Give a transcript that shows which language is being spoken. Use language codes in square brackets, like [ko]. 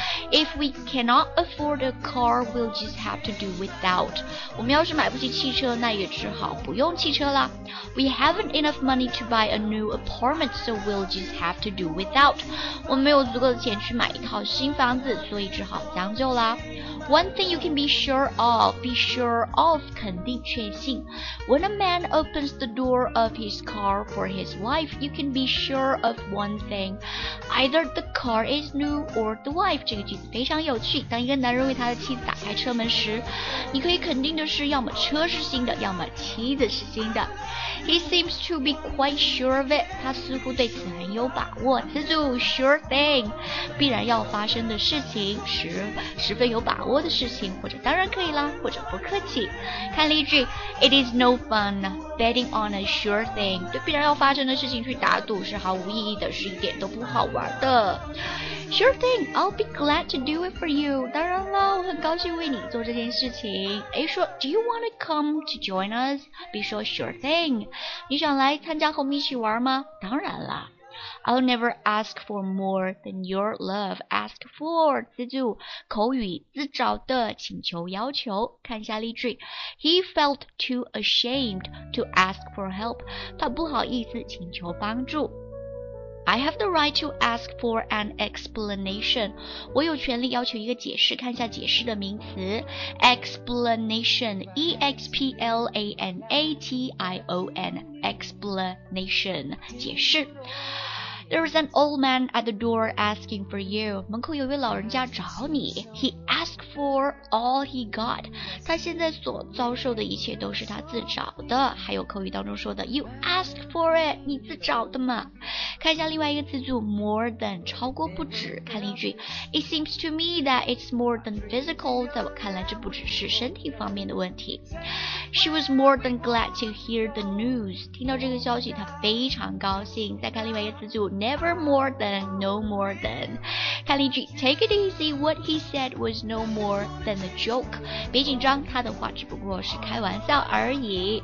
[en] If we cannot afford a car, we'll just have to do without, [zh] 我们要是买不起汽车，那也只好不用汽车啦。 [en] We haven't enough money to buy a new apartment, so we'll just have to do without. [zh] 我们没有足够的钱去买一套新房子，所以只好将就啦。 [en] One thing you can be sure of [zh] 肯定确信。 [en] When a man opens the door of his car for his wife, you can be sure of one thing. Either the car is new or the wife. [zh] 这个句子非常有趣。当一个男人为他的妻子打开车门时，你可以肯定的是要么车是新的，要么妻子是新的。 [en] He seems to be quite sure of it, [zh] 他似乎对此很有把握。词组 sure thing, 必然要发生的事情，十分有把握的事情，或者当然可以啦，或者不客气。看例句， [en] It is no fun betting on a sure thing, [zh] 对必然要发生的事情去打赌是毫无意义的，是一点都不好玩的。 [en] Sure thing, I'll be glad to do it for you. [zh] 当然了，我很高兴为你做这件事情。 [en] A 说 Do you want to come to join us? [zh] B 说 [en] Sure thing, [zh] 你想来参加和我们一起玩吗？当然了。 [en] I'll never ask for more than your love. [zh] Ask for 自助，口语自找的请求要求。看一下例句， [en] He felt too ashamed to ask for help. [zh] 他不好意思请求帮助。 [en] I have the right to ask for an explanation. [zh] 我有权利要求一个解释，看一下解释的名词。 [en] Explanation, E-X-P-L-A-N-A-T-I-O-N, explanation, 解释。 There is an old man at the door asking for you. [zh] 门口有位老人家找你。 [en] He asked for all he got. [zh] 他现在所遭受的一切都是他自找的。还有口语当中说的 [en] You ask for it, [zh] 你自找的嘛。看一下另外一个词组 More than, 超过不止。看例句， [en] It seems to me that it's more than physical. [zh] 在我看来这不只是身体方面的问题。 [en] She was more than glad to hear the news. [zh] 听到这个消息她非常高兴。再看另外一个词组Never more than, no more than. 看例句， [en] Take it easy, what he said was no more than a joke. [zh] 别紧张，他的话只不过是开玩笑而已。